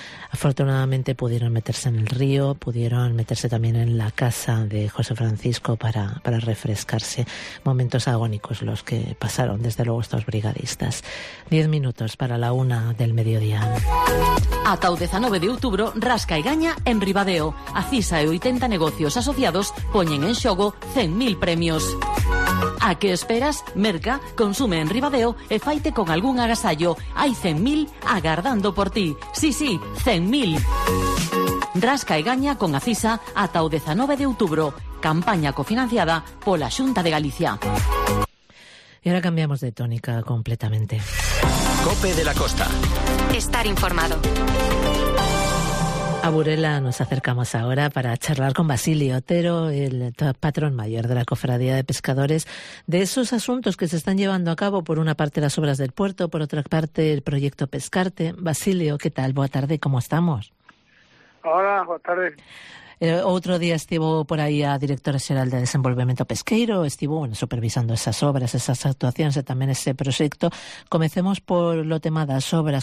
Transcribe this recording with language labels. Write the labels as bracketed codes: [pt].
[es] Afortunadamente pudieron meterse en el río, pudieron meterse también en la casa de José Francisco para refrescarse. Momentos agónicos los que pasaron, desde luego, estos brigadistas. 10 minutos para la 1 del mediodía. [gl] A Caudeza 9 de outubro, Rasca e Gaña en Ribadeo. A CISA e 80 negocios asociados poñen en xogo 100.000 premios. A que esperas? Merca, consume en Ribadeo e faite con algún agasallo. Hai 100.000 agardando por ti. Sí, sí, 100.000. Rasca e Gaña con a CISA ata o 19 de outubro. Campaña cofinanciada pola Xunta de Galicia. [es] E ahora cambiamos de tónica completamente. COPE de la Costa. Estar informado. A Burela nos acercamos ahora para charlar con Basilio Otero, el patrón mayor de la Cofradía de Pescadores, de esos asuntos que se están llevando a cabo, por una parte las obras del puerto, por otra parte el proyecto Pescarte. Basilio, ¿qué tal? [gl] Boa tarde, [es] ¿cómo estamos? [gl] Hola, boa tarde. Outro día estivo por aí a directora xeral de Desenvolvemento Pesqueiro, estivo, bueno, supervisando esas obras, esas actuacións e tamén ese proxecto. Comecemos por lo tema das obras.